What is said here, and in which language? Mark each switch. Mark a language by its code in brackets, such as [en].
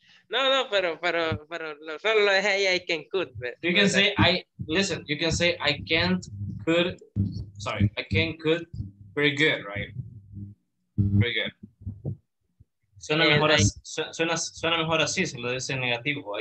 [es] No, pero solo lo dejé ahí, [en] I can cook. You can say, I can't cook very good, right? Very good. [es] Suena mejor así, se lo dice en negativo.